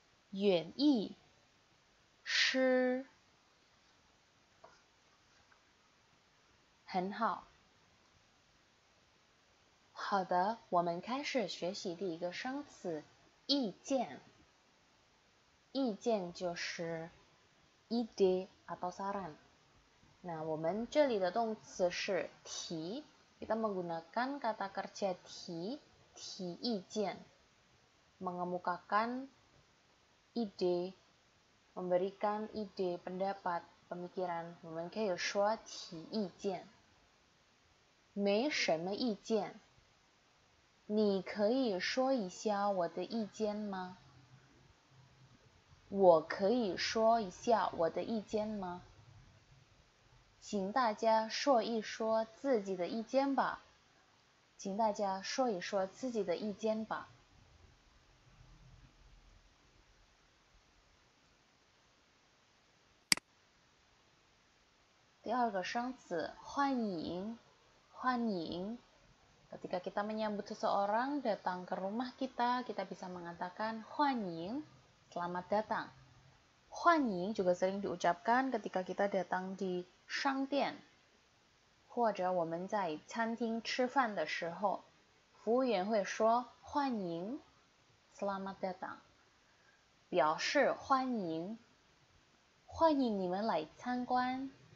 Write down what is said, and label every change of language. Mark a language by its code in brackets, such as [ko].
[zh] 远义诗很好。好的，我们开始学习第一个生词“意见”。意见就是 [id] “ide atau saran”。 [zh] 那我们这里的动词是 “提”，我们 [id] menggunakan kata kerja [zh] “提”，提意见， [id] mengemukakan。 ide, memberikan ide, pendapat, pemikiran, [zh] 我们可以说提意见。没什么意见，你可以说一下我的意见吗？我可以说一下我的意见吗？请大家说一说自己的意见吧。请大家说一说自己的意见吧。第二个生词，欢迎。 [id] Ketika kita menyambut seseorang datang ke rumah kita, kita bisa mengatakan 欢迎 selamat datang. [zh] 欢迎 juga sering diucapkan ketika kita datang di 商店，或者我们在餐厅吃饭的时候，服务员会说欢迎 [id] selamat datang， [zh] 表示欢迎，欢迎你们来参观。